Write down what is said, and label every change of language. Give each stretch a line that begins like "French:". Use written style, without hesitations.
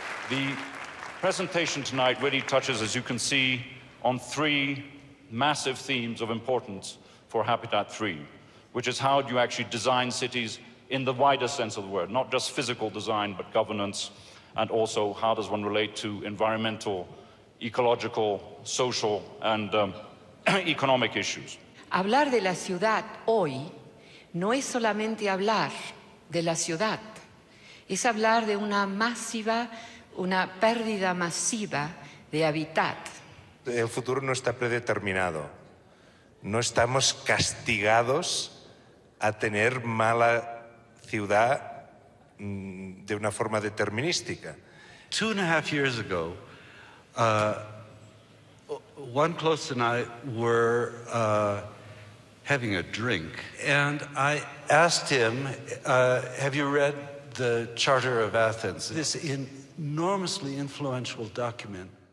English: The presentation tonight really touches, as you can see, on three massive themes of importance for Habitat 3, which is how do you actually design cities in the wider sense of the word, not just physical design, but governance, and also how does one relate to environmental, ecological, social, and economic issues.
Spanish: Hablar de la ciudad hoy no es solamente hablar de la ciudad, es hablar de una pérdida masiva de hábitat. El futuro no está predeterminado. No estamos castigados a tener mala ciudad de una forma determinística.
English: 2.5 years ago, one close and I were having a drink, and I asked him, have you read the Charter of Athens? This enormously influential document.